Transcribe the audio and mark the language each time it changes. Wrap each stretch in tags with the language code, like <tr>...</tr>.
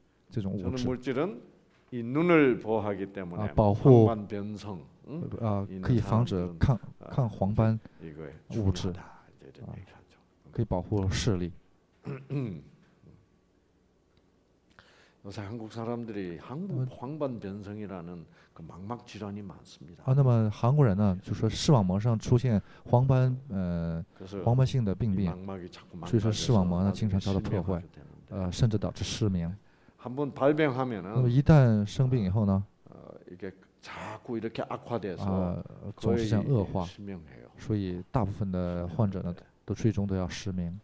<ko>저런 물질은 이 눈을 보호하기 때문에 광반 변성,</ko> <zh>可以防止抗黄斑 物质, 可以保护视力.</zh> <ko>요새 한국 사람들이 한국 황반 변성이라는 그 망막 질환이 많습니다.</ko> <zh>那么韩国人呢，就说视网膜上出现黄斑性的病变，所以说视网膜呢经常遭到破坏，甚至导致失明。</zh> <ko>한번 발병하면은</ko> <zh>一旦生病以后呢,</zh> <ko>이게 자꾸 이렇게 악화돼서</ko> <zh>总是这样恶化,</zh> <ko>失明해요.</ko> <zh>所以大部分的患者呢，都最终都要失明.</zh>